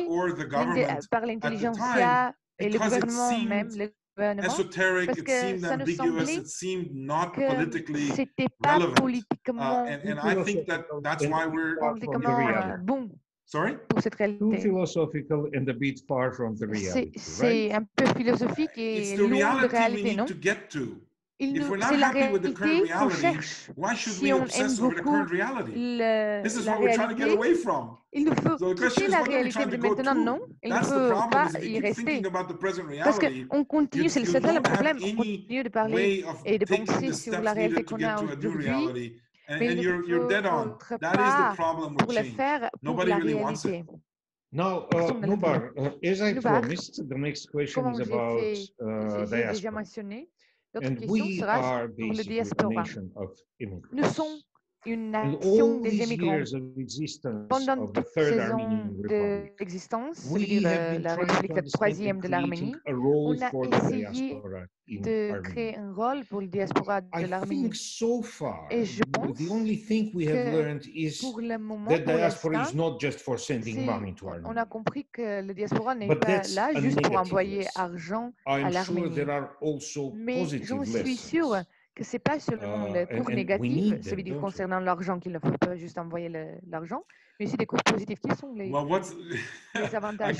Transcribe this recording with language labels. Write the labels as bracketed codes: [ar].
[en] or the government at the time, because it seemed esoteric, it seemed ambiguous, it seemed not politically relevant. And I think that's why we're too philosophical and a bit far from the reality, right? [fr] C'est un peu philosophique et loin de réalité, non? [en] To get to. If we're not happy with the current reality, why should we obsess over the current reality? This is what we're trying to get away from. So the question is, what are we trying to go to? That's the problem, is if you keep thinking about the present reality, you don't have any way of taking the steps needed to get to a new reality. And you're dead on. That is the problem with change. Nobody really wants it. Now, Nubar, as I promised, the next question is about diaspora. And we are basically a nation of immigrants. In all these years of existence [fr] pendant [en] of the Third Armenian Republic, we have been trying to understand and create a role for the diaspora in Armenia. I think so far, the only thing we have learned is that diaspora is not just for sending money to Armenia. [fr] On a compris que la diaspora n'est pas là juste pour envoyer argent à l'Arménie. [en] Sure, there are also positive lessons. [fr] Ce n'est pas seulement le cours négatif, celui concernant l'argent, qu'il ne faut pas juste envoyer l'argent, mais aussi des cours positifs qui sont les avantages.